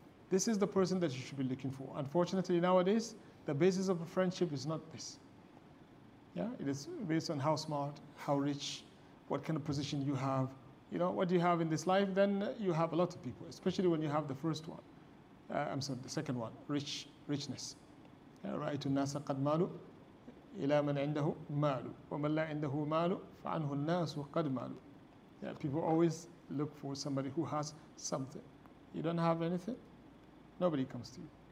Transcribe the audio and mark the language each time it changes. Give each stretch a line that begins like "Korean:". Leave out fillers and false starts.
English: This is the person that you should be looking for. Unfortunately, nowadays, the basis of a friendship is not this. Yeah, it is based on how smart, how rich, what kind of position you have. You know, what do you have in this life? Then you have a lot of people, especially when you have the first one. The second one, richness.
Arabic: رأيت الناس قد مالوا إلى من عنده مالوا ومن لا عنده مالوا فعنه الناس قد مالوا.
English: Yeah, people always look for somebody who has something. You don't have anything? nobody comes to you.